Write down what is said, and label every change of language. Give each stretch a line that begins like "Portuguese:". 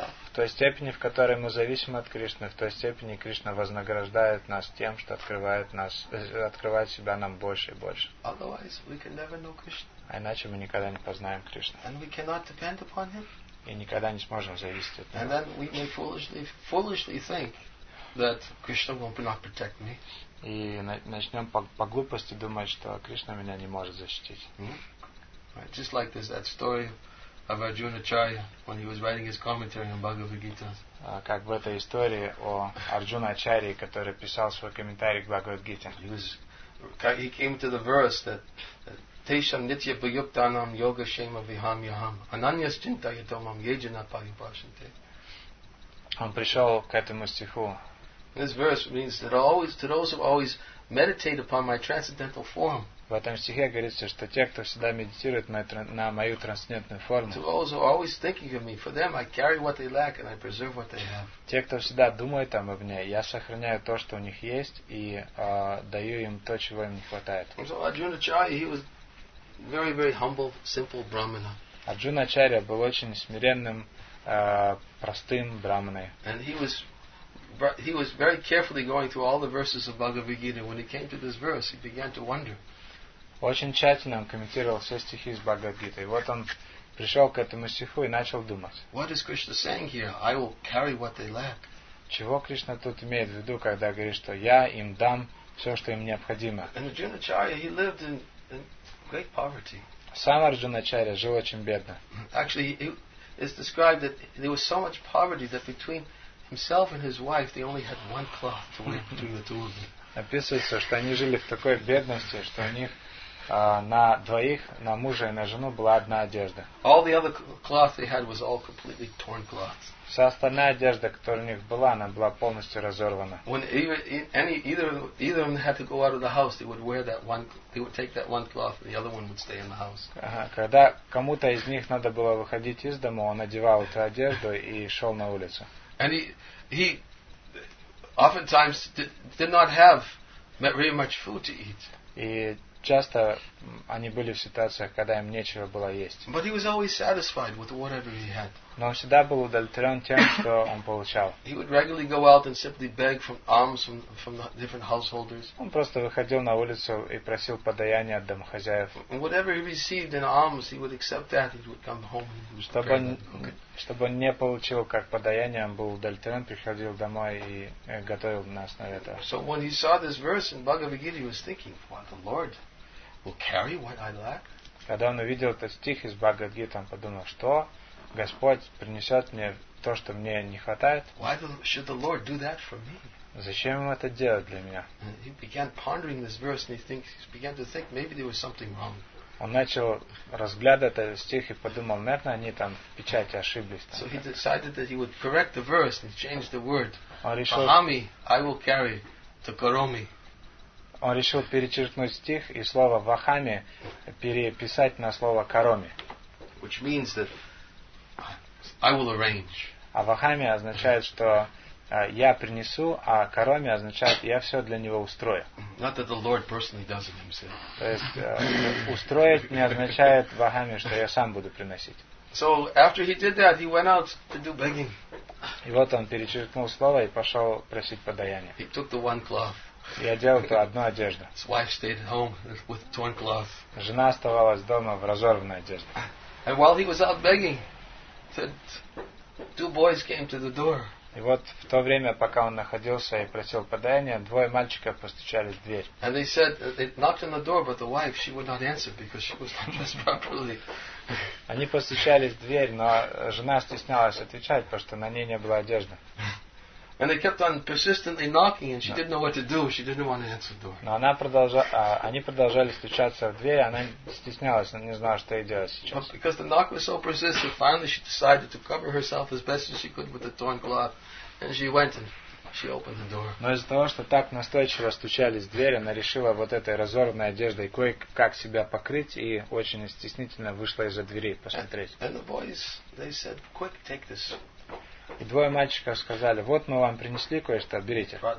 Russian: В той степени, в которой мы зависим от Кришны, в той степени Кришна вознаграждает нас тем, что открывает себя нам больше и больше.
English: Otherwise, we can never know Krishna.
Russian: А иначе мы никогда не познаем Кришну.
English: And we cannot depend upon him.
Russian: И никогда не сможем зависеть от Него.
English: And then we may foolishly think that Krishna will not protect me.
Russian: И начнем по глупости думать, что Кришна меня не может защитить.
English: Mm-hmm. Right. Just like this, that story of Arjuna Acharya when he was writing his commentary on Bhagavad Gita.
Russian: Как в этой истории о Арджуна Ачарье, который писал свой комментарий к Бхагавад Гите.
English: He came to the verse that
Sanskrit: Tesham Nitya Bhayuktanam Yoga Shema Viham Yaham Ananyas Chintayatomam Yejana Paripashante.
Russian: Он пришел к этому стиху.
English: This verse means that always to those who always meditate upon my transcendental form.
Russian: В этом стихе говорится, что те, кто всегда медитирует на мою трансцендентную форму.
English: To those who are always thinking of me, for them I carry what they lack and I preserve what they have.
Russian: Те, кто всегда думает обо мне, я сохраняю то, что у них есть, и даю им то, чего им не хватает.
English: So Arjuna Acharya, he was very, very humble, simple brahmana.
Russian: Арджуна Ачарья был очень смиренным, простым брахманой.
English: And he was very carefully going through all the verses of Bhagavad Gita. When he came to this verse, he began to wonder.
Russian: Очень тщательно он комментировал все стихи из Бхагавад Гиты. И вот он пришел к этому стиху и начал думать.
English: What is Krishna saying here? I will carry what they lack.
Russian: Чего Кришна тут имеет в виду, когда говорит, что я им дам все, что им необходимо?
English: And Arjuna Acharya, he lived in great poverty.
Russian: Сам Арджуна Ачарья жил очень бедно.
English: Actually, it's described that there was so much poverty that between himself and his wife, they only had one cloth to wear between the two of them.
Russian: Описывается, что они жили в такой бедности, что у них на двоих, на мужа и на жену, была одна одежда.
English: All the other cloth they had was all completely torn cloth.
Russian: Вся остальная одежда, которая у них была, она была полностью разорвана.
English: When either of them had to go out of the house, they would wear that one. They would take that one cloth, and the other one would stay in the house.
Russian: Когда кому-то из них надо было выходить из дома, он одевал эту одежду и шел на улицу.
English: And he oftentimes did not have very much food to eat.
Russian: И часто они были в ситуациях, когда им нечего было есть.
English: But he was always satisfied with whatever he had.
Russian: Но он всегда был удовлетворен тем, что он получал.
English: He would regularly go out and simply beg from alms from the different householders.
Russian: Он просто выходил на улицу и просил подаяния от домохозяев.
English: And whatever he received in alms, he would accept that. He would come home and he would pray.
Russian: Чтобы он не получил как подаяние, он был удовлетворен, приходил домой и готовил на основе этого.
English: So when he saw this verse in Bhagavad Gita, he was thinking, "What the Lord will carry what I lack?"
Russian: Когда он увидел этот стих из Бхагавад Гиты, он подумал, что Господь принесет мне то, что мне не хватает.
English: Why should the Lord do that for me?
Russian: Зачем ему это делать для меня?
English: He began pondering this verse and began to think maybe there was something wrong.
Russian: Он начал разглядывать этот стих и подумал, наверное, они там в печати ошиблись.
English: So he decided that he would correct the verse and change the word.
Sanskrit: Ahami,
English: I will carry to Karomi.
Russian: Он решил перечеркнуть стих и слово «вахами» переписать на слово «кароми».
English: Which means that I will arrange.
Russian: А «вахами» означает, что я принесу, а «кароми» означает, я все для него устрою.
English: Not that the Lord personally does it himself.
Russian: То есть устроить не означает «вахами», что я сам буду приносить.
English: So after he did that, he went out to do begging.
Russian: И вот он перечеркнул слово и пошел просить подаяния.
English: He took the one cloth.
Russian: Я делал то одну одежду.
English: His wife stayed at home with torn cloth.
Russian: Жена оставалась дома в разорванной одежде.
English: And while he was out begging, two boys came to the door.
Russian: И вот в то время, пока он находился и просил подаяния, двое мальчиков постучались в дверь.
English: And they said they knocked on the door, but the wife she would not answer because she was not dressed properly.
Russian: Они постучались в дверь, но жена стеснялась отвечать, потому что на ней не было одежды.
English: And they kept on persistently knocking, and she didn't know what to do. She didn't want to answer the door.
Russian: Но она они продолжали стучаться в дверь, она стеснялась, она не знала, что ей делать сейчас.
English: But because the knock was so persistent, finally she decided to cover herself as best as she could with the torn cloth, and she went and she opened the door.
Russian: Но из-за того, что так настойчиво стучались в дверь, она решила вот этой разорванной одеждой кое-как себя покрыть и очень стеснительно вышла из-за двери посмотреть.
English: And the boys, they said, "Quick, take this."
Russian: И двое мальчиков сказали, вот мы вам принесли кое-что, берите.